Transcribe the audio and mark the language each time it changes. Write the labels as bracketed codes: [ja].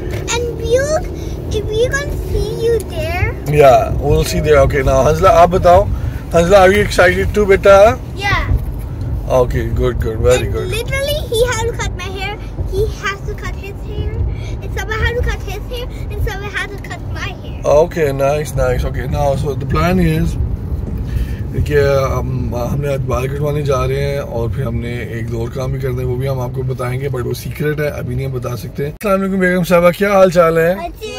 [en] And you if we can see you there Yeah, we'll see there. Okay, now Hansla, [hi] aap batao. [en] Hansla, are you excited too, beta? Yeah. Okay, good, very and good. Literally, he has to cut my hair. He has to cut his hair. And someone has to cut his hair. And someone has to cut my hair. Okay, nice. Okay, now, so the plan is [hi] कि हमने आज बाल कटवाने जा रहे हैं और फिर हमने एक दो और काम भी करने हैं वो भी हम आपको बताएंगे बट वो सीक्रेट है अभी नहीं हम बता सकते अस्सलाम वालेकुम बेगम साहबा क्या हाल चाल है